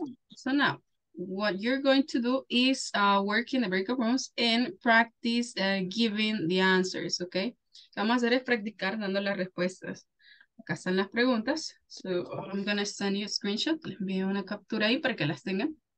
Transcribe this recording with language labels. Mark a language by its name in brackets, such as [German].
[English] So now, what you're going to do is work in the breakout rooms and practice giving the answers, okay? [Spanish] Vamos a hacer es practicar dando las respuestas. Acá están las preguntas. [English] So I'm going to send you a screenshot. [Spanish] Les envío una captura ahí para que las tengan.